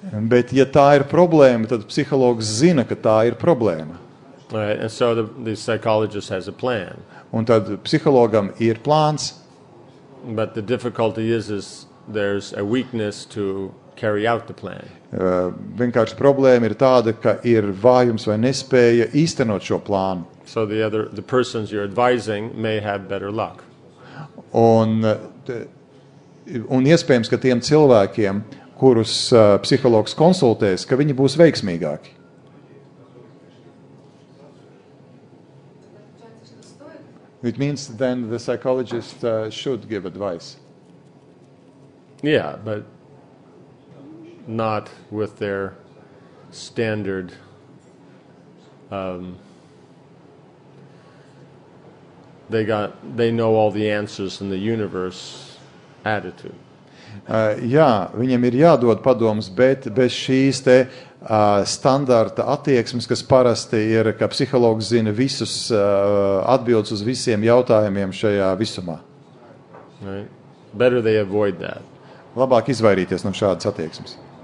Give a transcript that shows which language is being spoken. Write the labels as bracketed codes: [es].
[lv] Bet ja tā ir problēma, tad psihologs zina, ka tā ir problēma. [en] Right, and so the psychologist has a plan. [lv] Un tad psihologam ir plāns. [en] But the difficulty is there's a weakness to carry out the plan. [lv] Vienkārši problēma ir tāda, ka ir vājums vai nespēja īstenot šo plānu. [en] So the persons you're advising may have better luck. [lv] Un iespējams, ka tiem cilvēkiem, kurus psihologs konsultēs, ka viņi būs veiksmīgāki. [en] It means then the psychologist should give advice. Yeah, but not with their standard they know all the answers in the universe attitude. [lv] Jā, viņam ir jādod padoms, bet bez šīs te standarta attieksmes, kas parasti ir, ka psihologs zina visus atbildes uz visiem jautājumiem šajā visumā. [en] Right. Better they avoid that. [lv] Labāk izvairīties no šādas attieksmes.